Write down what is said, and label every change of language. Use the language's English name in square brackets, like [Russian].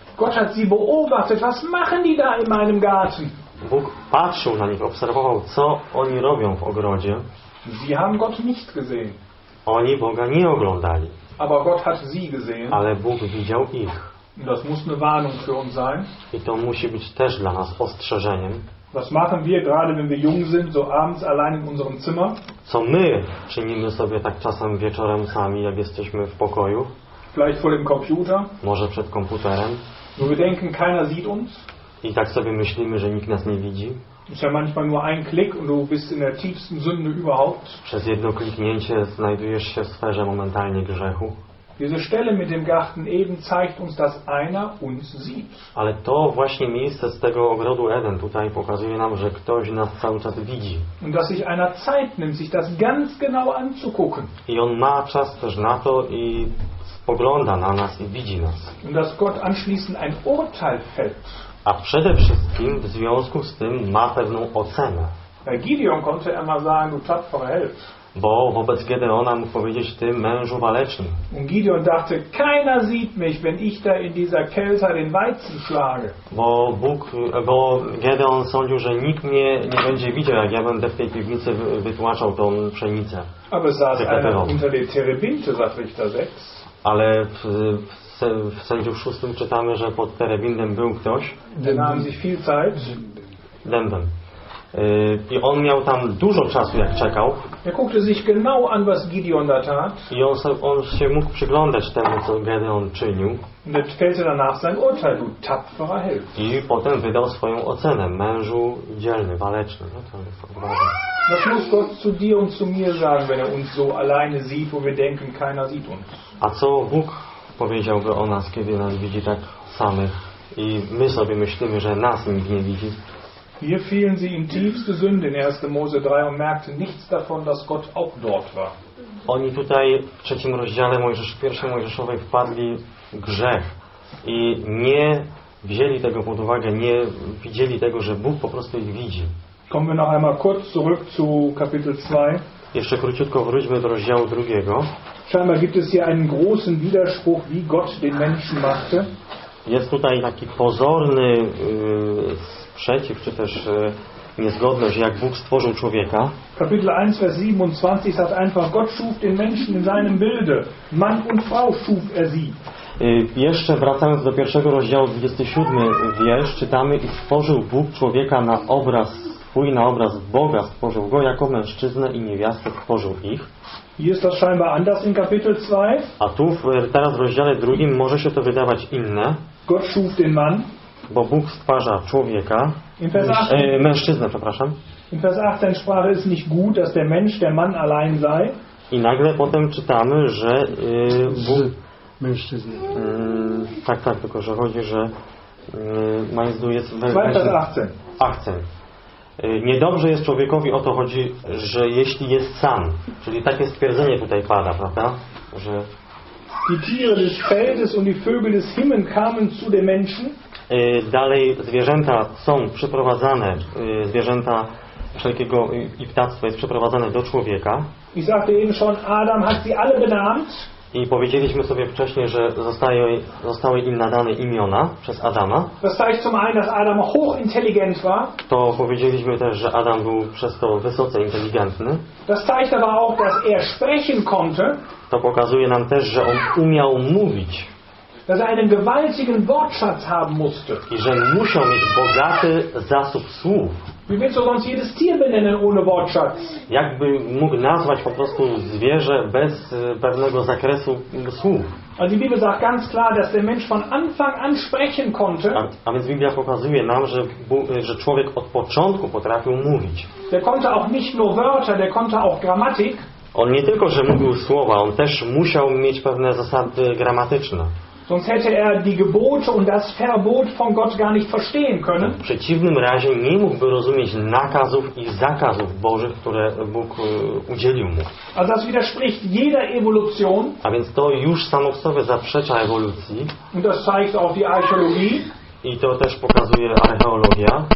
[German] Gott hat sie beobachtet, was machen die da in meinem Garten? [Polish] Bóg patrzył na nich, obserwował, co oni robią w ogrodzie. [German] Sie haben Gott nicht gesehen. [Polish] Oni Boga nie oglądali. [German] Aber Gott hat sie gesehen. [Polish] Ale Bóg widział ich. [German] Das muss eine Warnung für uns sein. [Polish] I to musi być też dla nas ostrzeżeniem. [German] Was machen wir gerade, wenn wir jung sind, so abends allein in unserem Zimmer? [Polish] Co my czynimy sobie tak czasem wieczorem sami, jak jesteśmy w pokoju? [German] Vielleicht vor dem Computer? [Polish] Może przed komputerem? [German] Wo wir denken, keiner sieht uns? [Polish] I tak sobie myślimy, że nikt nas nie widzi? [German] Ist ja manchmal nur ein Klick und du bist in der tiefsten Sünde überhaupt. [Polish] Przez jedno kliknięcie znajdujesz się w sferze momentalnie grzechu. [German] Diese Stelle mit dem Garten Eden zeigt uns, dass einer uns sieht. [Polish] Ale to właśnie miejsce z tego ogrodu Eden tutaj pokazuje nam, że ktoś nas cały czas widzi. [German] Und dass sich einer Zeit nimmt, sich das ganz genau anzugucken. [Polish] I on ma czas też na to i spogląda na nas i widzi nas. [German] Und dass Gott anschließend ein Urteil fällt. [Polish] A przede wszystkim w związku z tym ma pewną ocenę. [German] Bei Gideon konnte er mal sagen, du tapferer Held. [Polish] Bo wobec Gedeona mu powiedzieć, ty mężu waleczny. [German] Und Gideon dachte, keiner sieht mich, wenn ich da in dieser Kälte den Weizen schlage. [Polish] Bo Gedeon sądził, że nikt mnie nie będzie widział, jak ja będę w tej piwnicy wytłaczał tą pszenicę. [German] Aber saß einer unter den Terebinthe, sagt Richter 6. [Polish] Ale w sędziów szóstym czytamy, że pod Terebintem był ktoś. [German] Der nahm sich viel Zeit. [Polish] Dęben. I on miał tam dużo czasu, jak czekał. [German] Er guckte sich genau an, was Gideon da tat. [Polish] I on się mógł przyglądać temu, co Gideon czynił. [German] Und er fällte danach sein Urteil, du tapferer Held. [Polish] I potem wydał swoją ocenę, mężu dzielny, waleczny. No to jest odważne. [German] Das muss Gott zu dir und zu mir sagen, wenn er uns so alleine sieht, wo wir denken, keiner sieht uns. [Polish] A co Bóg powiedziałby o nas, kiedy nas widzi tak samych i my sobie myślimy, że nas nikt nie widzi? [German] Hier fielen sie in tiefste Sünde in 1. Mose 3 und merkten nichts davon, dass Gott auch dort war. [Polish] Oni tutaj w trzecim rozdziale pierwszej Mojżeszowej wpadli w grzech i nie wzięli tego pod uwagę, nie widzieli tego, że Bóg po prostu ich widzi. [German] Kommen wir noch einmal kurz zurück zu Kapitel 2. [Polish] Jeszcze króciutko wróćmy do rozdziału drugiego. [German] Scheinbar gibt es hier einen großen Widerspruch, wie Gott den Menschen machte. [Polish] Jest tutaj taki pozorny sprzeciw, czy też niezgodność, jak Bóg stworzył człowieka. [German] Kapitel 1, Vers 27 sagt einfach, Gott schuf den Menschen in seinem Bilde. Mann und Frau schuf er sie. [Polish] Jeszcze wracając do pierwszego rozdziału, 27 wiersz, czytamy, i stworzył Bóg człowieka na obraz swój, na obraz Boga stworzył go, jako mężczyznę i niewiastę stworzył ich. Jest to [German] scheinbar anders in Kapitel 2. [Polish] A tu teraz w rozdziale drugim może się to wydawać inne. [German] Gott schuf den Mann. [Polish] Bo Bóg stwarza człowieka, mężczyznę, przepraszam. [German] In Vers 8 dann sprach es nicht gut, dass der Mensch der Mann allein sei. [Polish] I nagle potem czytamy, że Bóg mężczyzna. Tak, tylko że chodzi, że majzdu jest akcent. Niedobrze jest człowiekowi, o to chodzi, że jeśli jest sam. Czyli takie stwierdzenie tutaj pada, prawda? Że [German] die Tiere des Feldes und die Vögel des Himmels kamen zu den Menschen. [Polish] Dalej zwierzęta są przyprowadzane, zwierzęta wszelkiego i ptactwo jest przyprowadzane do człowieka. [German] I sagte eben schon, Adam hat sie alle benannt. [Polish] I powiedzieliśmy sobie wcześniej, że zostały im nadane imiona przez Adama. [German] Das heißt zum einen, dass Adam hochintelligent war. [Polish] To powiedzieliśmy też, że Adam był przez to wysoce inteligentny. [German] Das zeigt aber auch, dass er sprechen konnte. [Polish] To pokazuje nam też, że on umiał mówić. [German] Dass er einen gewaltigen Wortschatz haben musste. [Polish] I że musiał mieć bogaty zasób słów. [German] Wie willst du sonst jedes Tier benennen ohne Wortschatz? [Polish] Jakby mógł nazwać po prostu zwierzę bez pewnego zakresu słów. [German] Also die Bibel sagt ganz klar, dass der Mensch von Anfang an sprechen konnte. [Polish] A więc Biblia pokazuje nam, że człowiek od początku potrafił mówić. [German] Der konnte auch nicht nur Wörter, der konnte auch Grammatik. [Polish] On nie tylko, że mówił słowa, on też musiał mieć pewne zasady gramatyczne. [German] Sonst hätte er die Gebote und das Verbot von Gott gar nicht verstehen können. [Polish] W przeciwnym razie nie mógłby rozumieć nakazów i zakazów Bożych, które Bóg udzielił mu. [German] Also das widerspricht jeder Evolution. [Polish] A więc to już samo w sobie zaprzecza ewolucji. [German] Und das zeigt auch die Archäologie. [Polish] I to też pokazuje archeologia.